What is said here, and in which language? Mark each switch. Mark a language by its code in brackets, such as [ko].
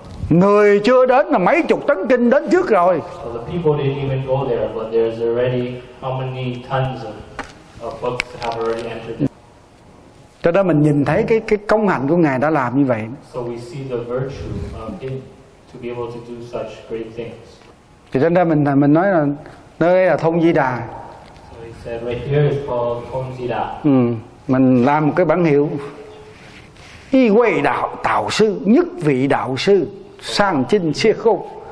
[vi] Người chưa đến là mấy chục tấn kinh đến trước rồi. [en] So the people didn't even go there, but there's already how many tons of books have already entered there. [vi] Cho nên mình nhìn thấy cái công hạnh của ngài đã làm như vậy. [en] So we see the virtue of him to be able to do such great things. [vi] Thì cho nên mình nói là nơi là Thôn Di Đà. [en] So he said right here is called Thôn Di Đà. [vi] Mình làm một cái bản hiệu Y Quay Đạo Tạo Sư, nhất vị đạo sư sang chinh siê khúc.